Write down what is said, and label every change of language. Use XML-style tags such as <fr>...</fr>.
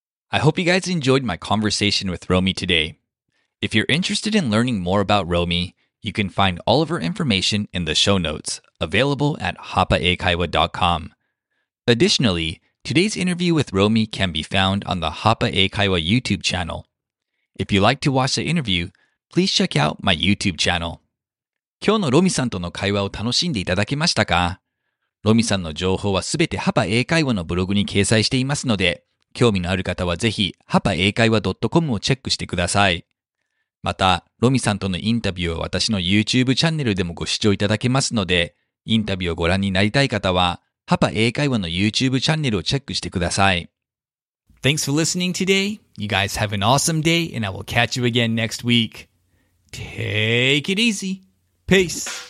<en>I hope you guys enjoyed my conversation with Romy today. If you're interested in learning more about Romy, you can find all of her information in the show notes, available at hapaekaiwa.com. Additionally, today's interview with Romy can be found on the Hapa Eikaiwa YouTube channel. If you like to watch the interview, please check out my YouTube channel.</en> <ja>今日のロミさんとの会話を楽しんでいただけましたか？ロミさんの情報はすべてハパ英会話のブログに掲載していますので、興味のある方はぜひ、hapaeikaiwa.com をチェックしてください。また、ロミさんとのインタビューは私の YouTube チャンネルでもご視聴いただけますので、インタビューをご覧になりたい方は、ハパ英会話の YouTube チャンネルをチェックしてください。</ja> <en>Thanks for listening today. You guys have an awesome day and I will catch you again next week. Take it easy. Peace.</en>